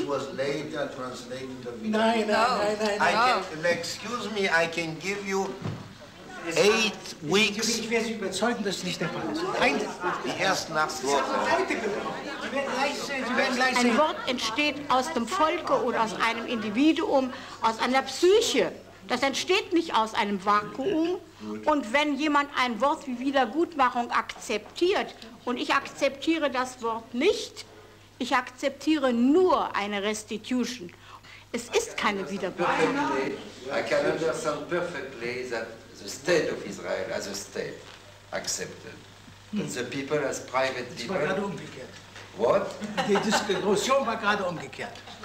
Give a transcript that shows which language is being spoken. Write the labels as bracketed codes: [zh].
[en] Which was later translated. Excuse me, I can give you 8 weeks. [de] Ich werde Sie überzeugen, dass nicht der Fall ist. Erst nach Wort. Ein Wort entsteht aus dem Volke oder aus einem Individuum, aus einer Psyche. Das entsteht nicht aus einem Vakuum. Und wenn jemand ein Wort wie Wiedergutmachung akzeptiert, und ich akzeptiere das Wort nicht, ich akzeptiere nur eine Restitution. Es ist keine Wiedergutmachung. [en] The state of Israel as a state accepted. But the people as private people. [de] Es war gerade umgekehrt. [en] What? [de] Die Diskussion war gerade umgekehrt.